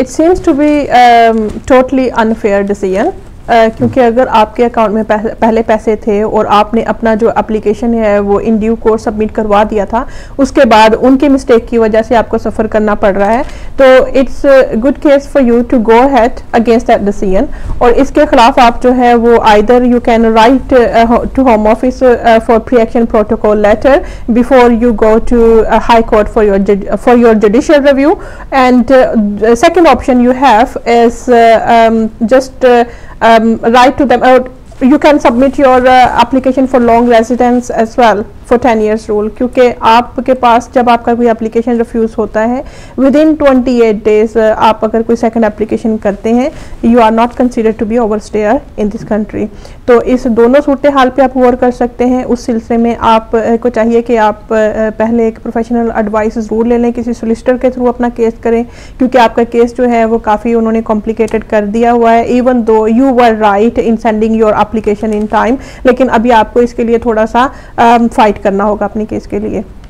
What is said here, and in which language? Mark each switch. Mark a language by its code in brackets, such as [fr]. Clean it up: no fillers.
[en] it seems to be totally unfair decision, [hi] क्योंकि अगर आपके अकाउंट में पहले पैसे थे और आपने अपना जो एप्लीकेशन है वो [en] in due course [hi] सबमिट करवा दिया था, उसके बाद उनके मिस्टेक की वजह से आपको सफ़र करना पड़ रहा है, तो [en] It's good case for you to go head against that decision. [hi] और इसके खिलाफ आप जो है वो [en] Either you can write to home office for pre action protocol letter before you go to high court for your judicial review. And second option you have is just write to them, you can submit your application for long residence as well for 10 years rule, [hi] क्योंकि आपके पास जब आपका कोई [en] application refuse [hi] होता है [en] within 28 days [hi] आप अगर कोई [en] second application [hi] करते हैं [en] you are not considered to be overstayer in this country। [hi] तो इस दोनों सूरत हाल पर आप गौर कर सकते हैं। उस सिलसिले में आप को चाहिए कि आप पहले एक professional advice ज़रूर ले लें, किसी solicitor के थ्रू अपना case करें, क्योंकि आपका case जो है वो काफ़ी उन्होंने complicated कर दिया हुआ है। [en] even though you were right in sending your application in time, [hi] लेकिन अभी आपको इसके लिए थोड़ा सा फाइट करना होगा अपने केस के लिए।